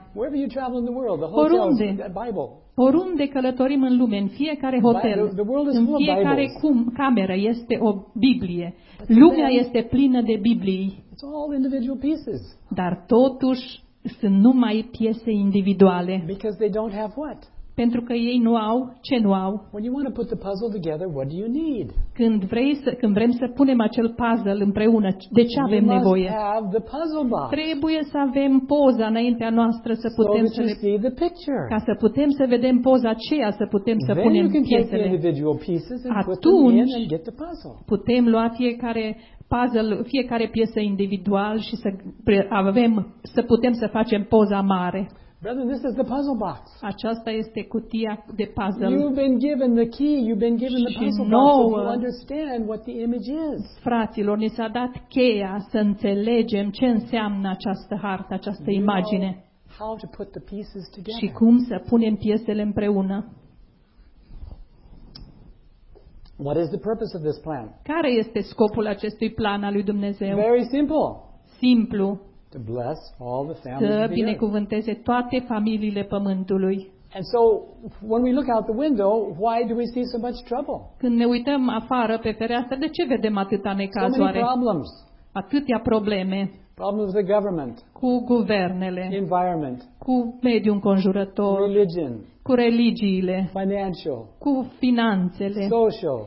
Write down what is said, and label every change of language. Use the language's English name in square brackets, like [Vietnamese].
[English] Wherever you travel in the world, the hotels have the Bible. [Romanian] Oriunde călătorim în lume, în fiecare hotel, în fiecare cameră este o Biblie. Lumea este plină de Biblii. [English] It's all individual pieces. [Romanian] Dar totuși sunt numai piese individuale. [English] Because they don't have what? [Romanian] Pentru că ei nu au ce nu au. [English] When you want to put the puzzle together, what do you need? [Romanian] Când vrem să punem acel puzzle împreună, de ce avem nevoie? Trebuie să avem poza înaintea noastră să putem [English] să see the picture. [Romanian] Ca să putem să vedem poza aceea, să putem să punem piesele. Atunci putem lua fiecare puzzle fiecare piesă individual și să avem să putem să facem poza mare. [English] Brother, this is the puzzle box. [Romanian] Aceasta este cutia de puzzle. [English] You've been given the key, you've been given the puzzle box, so you understand what the image is. [Romanian] Fraților, ni s-a dat cheia să înțelegem ce înseamnă această hartă, această imagine. [English] How to put the pieces together. [Romanian] Și cum să punem piesele împreună. [English] What is the purpose of this plan? [Romanian] Care este scopul acestui plan al lui Dumnezeu? [English] Very simple. [Romanian] Simplu. [English] To bless all the families. [Romanian] Să binecuvânteze toate familiile pământului. [English] And so when we look out the window, why do we see so much trouble? [Romanian] Când ne uităm afară pe fereastră, de ce vedem atâta necazuri? [English] So many problems. [Romanian] Atâtea probleme. [English] Problems with the government. [Romanian] Cu guvernele. [English] Environment. [Romanian] Cu mediul înconjurător. [English] Religion. [Romanian] Cu religiile. [English] Financial. [Romanian] Cu finanțele. [English] Social.